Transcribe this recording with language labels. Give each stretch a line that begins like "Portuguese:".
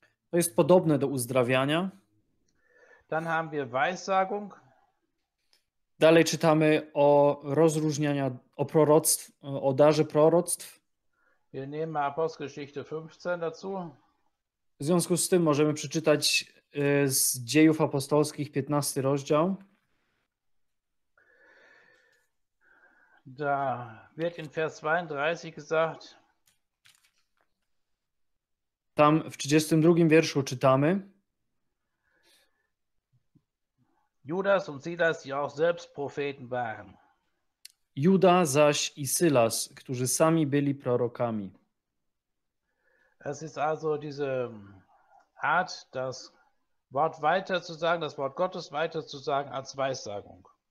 Polish: To jest podobne do uzdrawiania.
German: Dann haben wir Weissagung.
Polish: Dalej czytamy o rozróżniania, o proroctw, o darze proroctw.
German: Wir nehmen Apostelgeschichte 15 dazu.
Polish: W związku z tym możemy przeczytać z Dziejów Apostolskich 15 rozdział.
German: Da wird in Vers 32 gesagt.
Polish: Tam w 32 wierszu czytamy.
German: Judas und Silas, die auch selbst Propheten waren.
Polish: Juda zaś i Silas, którzy sami byli prorokami.
German: Es ist also diese Art, das Wort weiter zu sagen, das Wort Gottes weiter zu sagen als Weissagung.